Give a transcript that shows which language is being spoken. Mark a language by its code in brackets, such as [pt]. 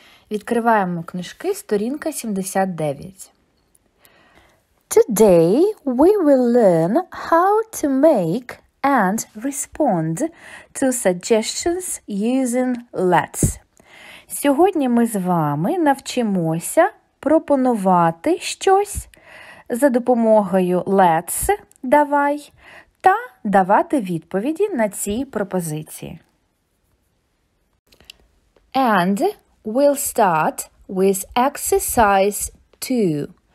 [uk] Відкриваємо книжки, сторінка 79. [en] Today we will learn how to make and respond to suggestions using let's. [uk] Сьогодні ми з вами навчимося пропонувати щось за допомогою let's, давай, та давати відповіді на ці пропозиції. [en] And we'll start with exercise 2.